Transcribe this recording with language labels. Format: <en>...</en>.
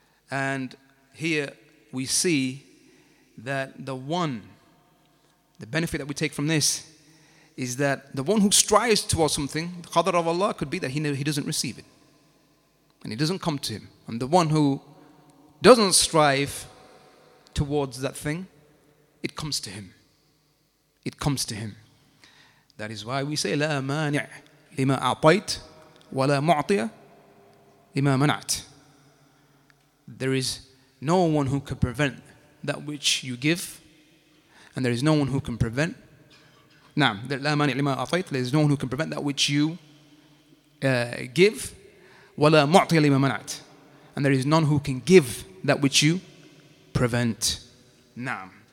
<en>And here we see that the benefit that we take from this is that the one who strives towards something, the Qadr of Allah, could be that he doesn't receive it and it doesn't come to him. And the one who doesn't strive towards that thing, it comes to him. That is why we say,</en> <ar>لا مانع لما أعطيت ولا معطي لما منعت.</ar> <en>There is no one who can prevent that which you give, and there is no one who can prevent.</en> <ar>نعم, لا مانع لما أعطيت.</ar> <en>There is no one who can prevent that which you give,</en> <ar>ولا معطي لما منعت.</ar> <en>And there is none who can give that which you prevent. Naam.</en>